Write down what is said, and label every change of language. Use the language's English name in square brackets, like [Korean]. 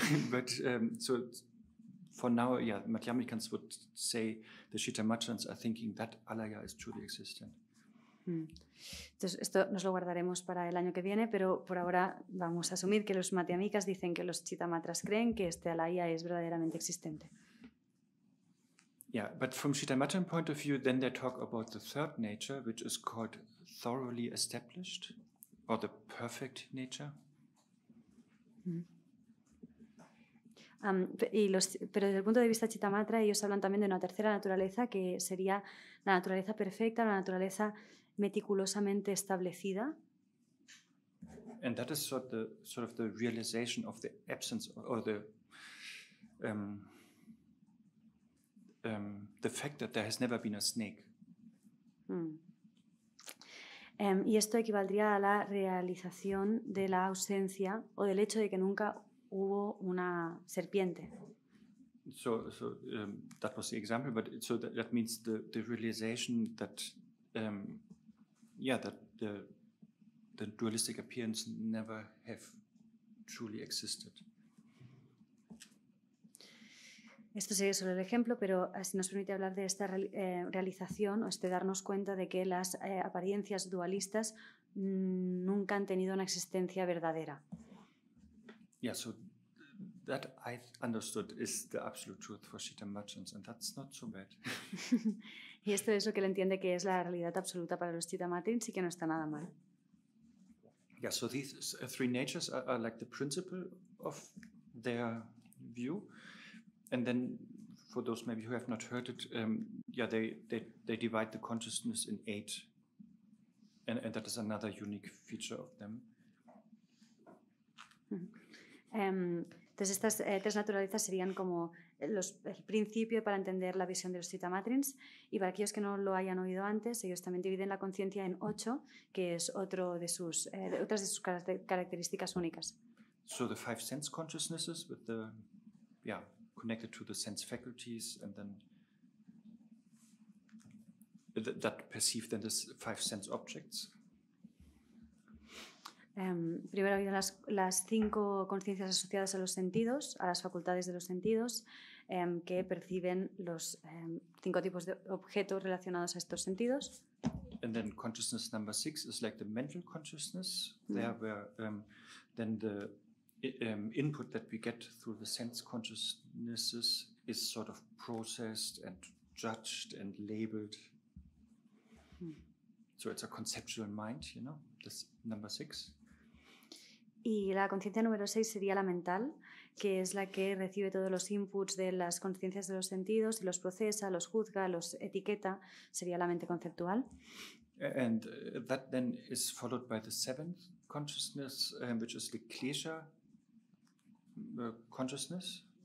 [English] But so for now, yeah, Madhyamikans would say the Chittamatrins are thinking that alaya is truly existent. [Spanish] Entonces esto nos lo guardaremos para el año que viene, pero por ahora vamos a asumir que los Madhyamikas dicen que los Shitamatras creen que este alaya es verdaderamente existente. [English] Yeah, but from Shitamatran point of view, then they talk about the third nature, which is called thoroughly established, or the perfect nature. [Spanish] Pero desde el punto de vista Shitamatra, ellos hablan también de una tercera naturaleza, que sería la naturaleza perfecta, la naturaleza meticulosamente establecida. [English] And that is sort of the realization of the absence or the fact that there has never been a snake. [Spanish] Y esto equivaldría a la realización de la ausencia o del hecho de que nunca hubo una serpiente. [English] So that was the example, but so that means the realization that that the dualistic appearance never have truly existed. [Spanish] Esto sería solo el ejemplo, pero así nos permite hablar de esta realización o este darnos cuenta de que las apariencias dualistas nunca han tenido una existencia verdadera. [English] Yeah, so that I understood is the absolute truth for Shitamatrans, and that's not so bad. [Spanish] Y esto es lo que él entiende que es la realidad absoluta para los Shitamatrins y que no está nada mal. [English] Yeah, so these three natures are like the principle of their view. And then for those maybe who have not heard it, they divide the consciousness in eight. And that is another unique feature of them. [Spanish] Entonces estas tres naturalezas serían como el principio para entender la visión de los Shitamatrins, y para aquellos que no lo hayan oído antes, ellos también dividen la conciencia en ocho, que es otro de sus otras de sus características únicas. [English] So the five sense consciousnesses with the connected to the sense faculties, and then that perceive then the five sense objects. [Spanish] Primero hay las cinco conciencias asociadas a los sentidos, a las facultades de los sentidos, que perciben los cinco tipos de objetos relacionados a estos sentidos. [English] And then consciousness number six is like the mental consciousness. There where then the input that we get through the sense consciousnesses is sort of processed and judged and labeled. So it's a conceptual mind, you know, this number six. [Spanish] Y la conciencia número 6 sería la mental, que es la que recibe todos los inputs de las conciencias de los sentidos y los procesa, los juzga, los etiqueta, sería la mente conceptual. [English] And that then is followed by the seventh consciousness, which is the klesha consciousness.